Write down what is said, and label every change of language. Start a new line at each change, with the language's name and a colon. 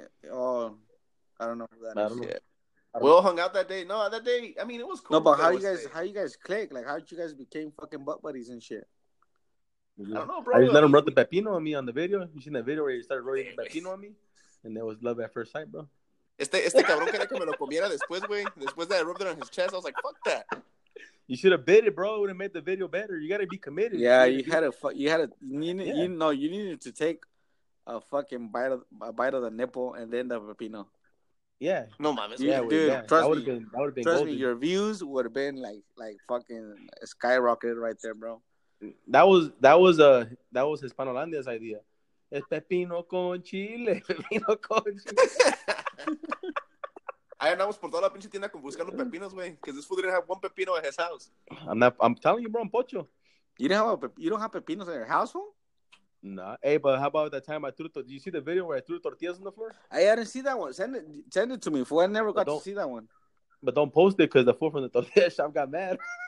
English: Oh, I don't know who that is. We all hung out that day. No, that day, I mean, it was cool. No, but how you guys click? Like, how did you guys became fucking butt buddies and shit? I don't know, bro. I just let him rub the pepino on me on the video. You seen that video where he started rubbing the pepino on me? And that was love at first sight, bro.
Spanish: Este cabrón quería que me lo comiera después, güey.
English: Después that I rubbed it on his chest, I was like, fuck that. You should have bid it, bro. It would have made the video better. You got to be committed. Yeah, you needed to take a fucking bite of the nipple and then the pepino. Yeah.
Spanish: No, mames.
English: Yeah, dude, yeah. Trust me, your views would have been like fucking skyrocketed right there, bro. That was Hispanolandia's idea.
Spanish: Es pepino con chile. Pepino con chile. Ahí andamos por toda la pinche tienda con buscando pepinos, güey.
English: Because this fool didn't have one pepino at his house. I'm telling you, bro, I'm pocho. You don't have pepinos in your house, fool? Nah. Hey, but how about that time I threw it? Did you see the video where I threw tortillas on the floor? I didn't see that one. Send it to me, fool. I never got to see that one. But don't post it because the fool from the tortilla shop got mad.